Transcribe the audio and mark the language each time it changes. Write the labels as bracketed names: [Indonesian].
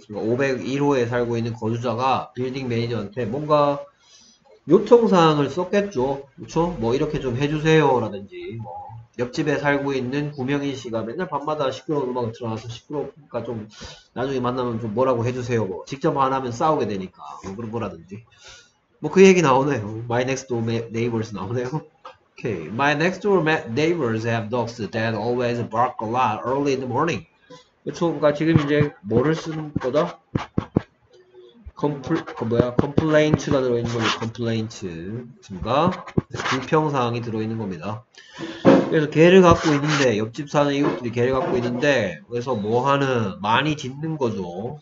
[Korean] 501호에 살고 있는 거주자가 building manager한테 뭔가 요청사항을 썼겠죠. 그쵸? 뭐 이렇게 좀 해주세요라든지, 뭐 옆집에 살고 있는 구명인 씨가 맨날 밤마다 시끄러운 음악을 틀어놔서 시끄러우니까 좀 나중에 만나면 좀 뭐라고 해주세요. 뭐 직접 안 하면 싸우게 되니까 뭐 그런 거라든지. 뭐그 얘기 나오네요. [English] My next door neighbors [Korean] 나오네요. [English] Okay, my next door neighbors have dogs that always bark a lot early in the morning. [Korean] 그쵸? 그러니까 지금 이제 뭐를 쓰는 거다? 뭐야? Complaint가 들어있는 거죠. Complaint가 불평사항이 들어있는 겁니다. 그래서 개를 갖고 있는데, 옆집 사는 이웃들이 개를 갖고 있는데, 그래서 뭐 하는, 많이 짖는 거죠.